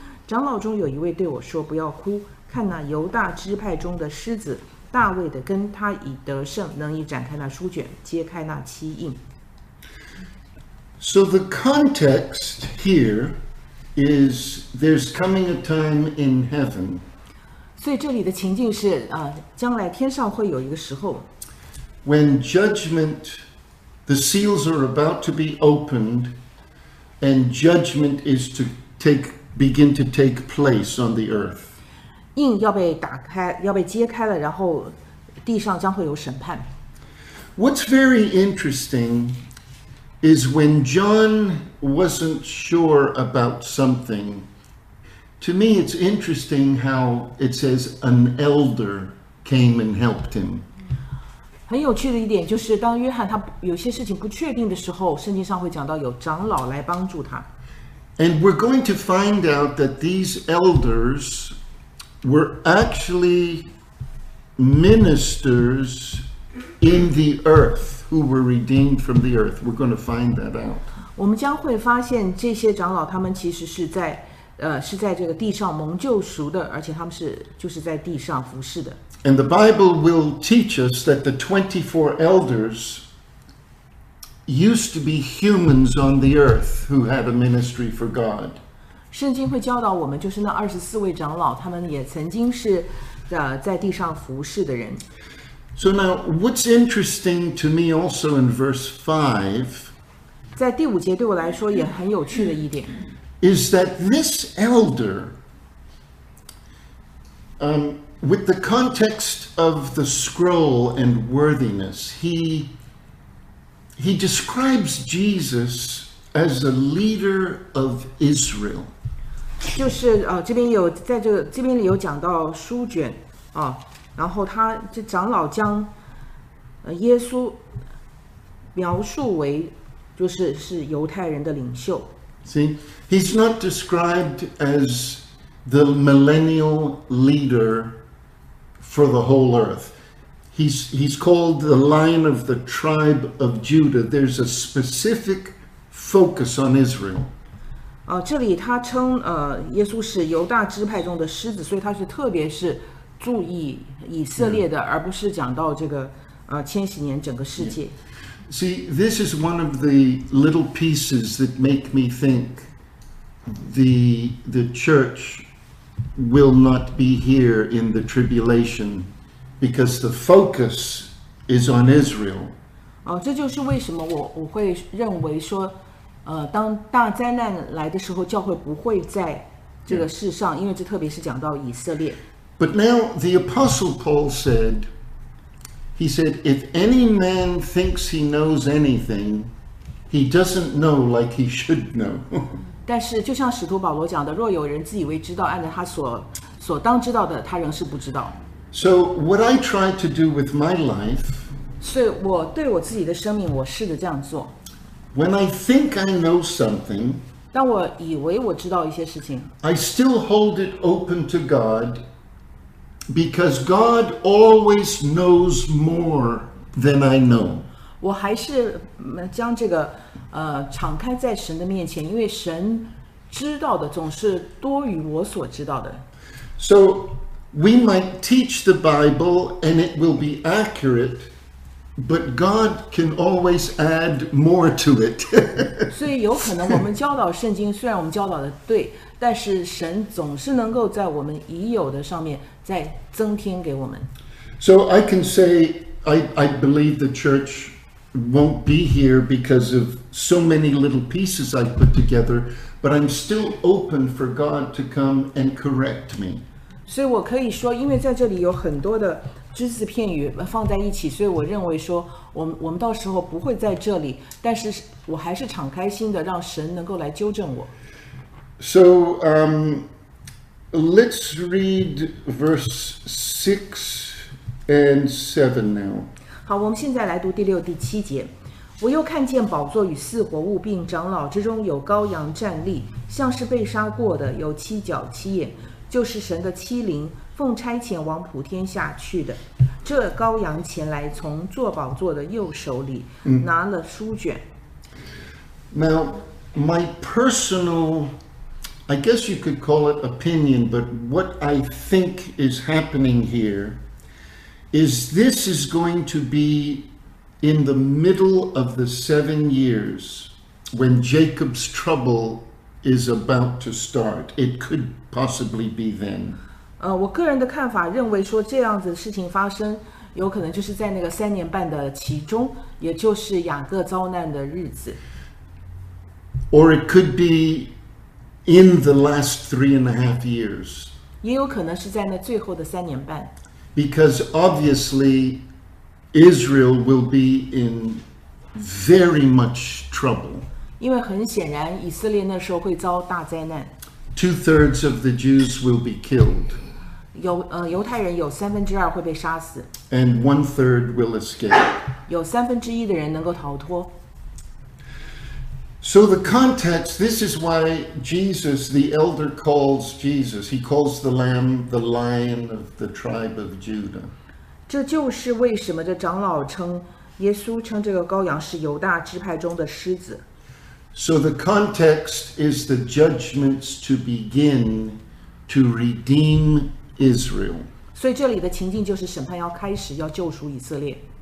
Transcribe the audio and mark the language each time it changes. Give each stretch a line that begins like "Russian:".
Chinese: 长老中有一位对我说，不要哭，看那犹大支派中的狮子大卫的根，他已得胜，能以展开那书卷，揭开那漆印。
English: So the context here is there's coming a time in heaven.
Chinese: 所以这里的情境是将来天上会有一个时候。
English: When judgment, the seals are about to be opened, and judgment is to begin to take place on the earth.
Chinese: 印要被打开，要被揭开了，然后地上将会有审判。
English: What's very interesting is when John wasn't sure about something, to me it's interesting how it says an elder came and helped him.
Chinese: 很有趣的一点就是当约翰他有些事情不确定的时候圣经上会讲到有长老来帮助他。
English: And we're going to find out that these elders were actually ministers in the earth who were redeemed from the earth. We're going to find that out.
Chinese: 我们将会发现这些长老他们其实是在这个地上蒙救赎的，而且他们就是在地上服事的。
English: And the Bible will teach us that the 24 elders used to be humans on the earth who had a ministry for God.
Chinese: 圣经会教导我们，就是那24位长老，他们也曾经是在地上服事的人。
English: So now, what's interesting to me also in verse 5,
Chinese: 在第五节对我来说也很有趣的一点
English: is that this elder, with the context of the scroll and worthiness, he describes Jesus as a leader of Israel.
Chinese: 就是这边有在这个这边里有讲到书卷然后他这长老将耶稣描述为就是犹太人的领袖。
English: See, he's not described as the millennial leader. For the whole earth. He's called the Lion of the Tribe of Judah. There's a specific focus on Israel.
Chinese: 这里他称耶稣是犹大支派中的狮子，所以他是特别是注意以色列的，而不是讲到这个千禧年整个世界。
English: See, this is one of the little pieces that make me think the churchwill not be here in the tribulation because the focus is on Israel.
Chinese: 这就是为什么我会认为说当大灾难来的时候教会不会在这个世上、yeah. 因为这特别是讲到以色列。
English: But now the Apostle Paul said, he said, if any man thinks he knows anything, he doesn't know like he should know.
Chinese: 但是就像使徒保罗讲的若有人自以为知道按照他 所当知道的他仍是不知道。
English: So what I try to do with my life,
Chinese: 所以我对我自己的生命我试着这样做。
English: When I think I know something,
Chinese: 当我以为我知道一些事情
English: I still hold it open to God because God always knows more than I know.
Chinese: 我还是将这个敞开在神的面前，因为神知道的总是多于我所知道的。
English: So we might teach the Bible and it will be accurate, But God can always add more to it.
Chinese: 所以有可能我们教导圣经，虽然我们教导的对，但是神总是能够在我们已有的上面再增添给我们。
English: So I can say I believe the church won't be here because of so many little pieces I've put together, but I'm still open for God to come and correct me.
Chinese: 所以我可以说，因为在这里有很多的只字片语放在一起，所以我认为说，我们到时候不会在这里，但是我还是敞开心的，让神能够来纠正我。
English: So let's read verse 6 and 7 now.
Chinese: 好，我们现在来读第六、第七节。我又看见宝座与四活物并长老之中有羔羊站立，像是被杀过的，有七角七眼，就是神的七灵，奉差遣往普天下去的。这羔羊前来，从坐宝座的右手里拿了书卷。
English: Now, my personal, I guess you could call it opinion, but what I think is happening here is this is going to be in the middle of the 7 years when Jacob's trouble is about to start. It could possibly be then.
Chinese: 我个人的看法认为说这样子的事情发生有可能就是在那个三年半的其中，也就是雅各遭难的日子。
English: Or it could be in the last 3.5 years.
Chinese: 也有可能是在那最后的三年半。
English: Because obviously Israel will be in very much trouble.
Chinese: 因为很显然以色列那时候会遭大灾难。
English: 2/3 of the Jews will be killed.
Chinese: 犹太人有三分之二会被杀死。
English: And 1/3 will escape.
Chinese: 有三分之一的人能够逃脱。
English: So the context, this is why Jesus, the elder calls Jesus, he calls the lamb the lion of the tribe of Judah.
Chinese: 这就是为什么这长老称耶稣称这个羔羊是犹大支派中的狮子。
English: So the context is the judgments to begin to redeem Israel.
Chinese: 所以这里的情境就是审判要开始，要救赎以色列。